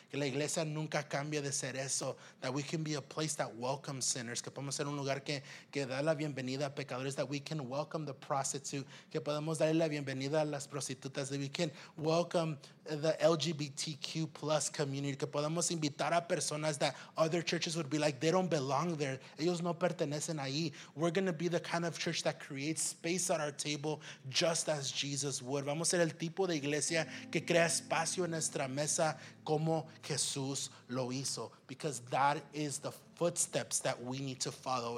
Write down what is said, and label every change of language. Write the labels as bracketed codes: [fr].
[es] Que la iglesia nunca cambie de ser eso, [en] that we can be a place that welcomes sinners, [es] que podemos ser un lugar que da la bienvenida a pecadores, [en] that we can welcome the prostitute, [es] que podemos darle la bienvenida a las prostitutas, [en] that we can welcome the LGBTQ plus community, [es] que podemos invitar a personas [en] that other churches would be like, they don't belong there. [es] Ellos no pertenecen ahí. [en] We're going to be the kind of church that creates space at our table just as Jesus would. [es] Vamos a ser el tipo de iglesia que crea espacio en nuestra mesa como Jesús lo hizo. [en] Because that is the footsteps that we need to follow.